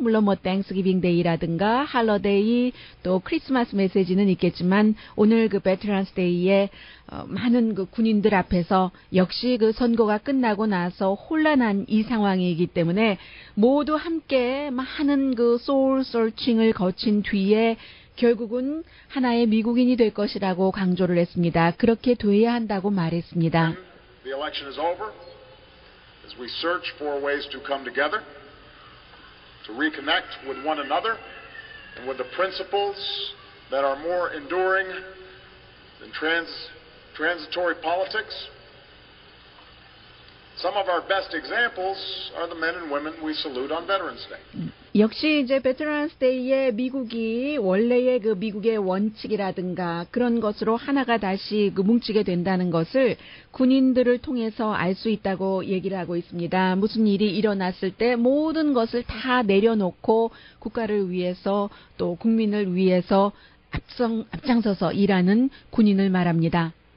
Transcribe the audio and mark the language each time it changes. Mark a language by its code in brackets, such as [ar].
[ko] 물론 뭐 땡스기빙 데이라든가 할러데이 또 크리스마스 메시지는 있겠지만 오늘 그 베테랑스 데이에 많은 그 군인들 앞에서 역시 그 선거가 끝나고 나서 혼란한 이 상황이기 때문에 모두 함께 많은 그 소울 서칭을 거친 뒤에 결국은 하나의 미국인이 될 것이라고 강조를 했습니다. 그렇게 돼야 한다고 말했습니다. [en] The election is over. As we search for ways to come together, to reconnect with one another and with the principles that are more enduring than transitory politics. Some of our best examples are the men and women we salute on Veterans Day. [ko] 역시 이제 베테랑스 데이에 미국이 원래의 그 미국의 원칙이라든가 그런 것으로 하나가 다시 그 뭉치게 된다는 것을 군인들을 통해서 알 수 있다고 얘기를 하고 있습니다. 무슨 일이 일어났을 때 모든 것을 다 내려놓고 국가를 위해서 또 국민을 위해서 앞장서서 일하는 군인을 말합니다.